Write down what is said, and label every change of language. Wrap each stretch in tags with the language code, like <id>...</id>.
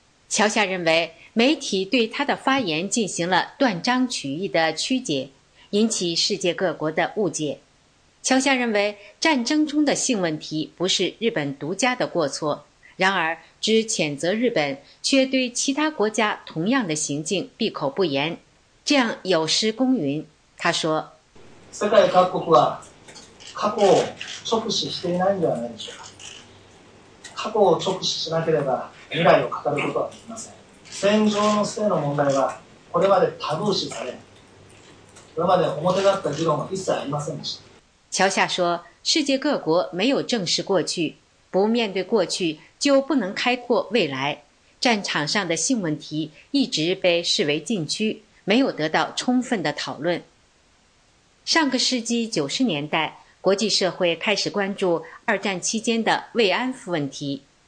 <zh>乔夏认为，媒体对他的发言进行了断章取义的曲解，引起世界各国的误解。乔夏认为，战争中的性问题不是日本独家的过错，然而只谴责日本，却对其他国家同样的行径闭口不言，这样有失公允。他说，</zh> <ja>世界各国は過去を直視していないのではないでしょうか。過去を直視しなければ未来を語ることはできません。戦場の性の問題はこれまでタブー視され、これまで表立った議論は一切ありませんでした。</ja> <zh>乔夏说，世界各国没有正视过去，不面对过去就不能开阔未来。战场上的性问题一直被视为禁区，没有得到充分的讨论。上个世纪90年代，国际社会开始关注二战期间的慰安妇问题。</zh>